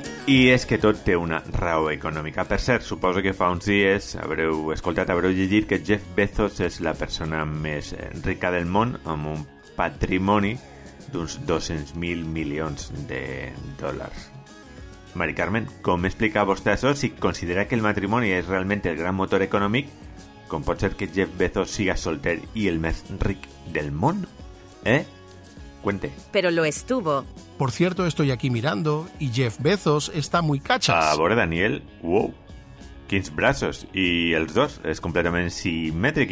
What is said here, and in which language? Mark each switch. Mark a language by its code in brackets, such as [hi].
[ca] I és que tot té una raó econòmica. Per cert, suposo que fa uns dies habreu llegit que Jeff Bezos és la persona més rica del món amb un patrimoni d'uns 200.000 milions de dòlars. Mari Carmen, com explica vostè això? Si considera que el matrimoni és realment el gran motor econòmic, com pot ser que Jeff Bezos siga solter i el més ric del món? [es] Eh? Cuente. Pero lo estuvo. Por cierto, estoy aquí mirando y Jeff Bezos está muy cachas. [ca] A veure, Daniel, wow, quins braços. I els dos, és completament simètric.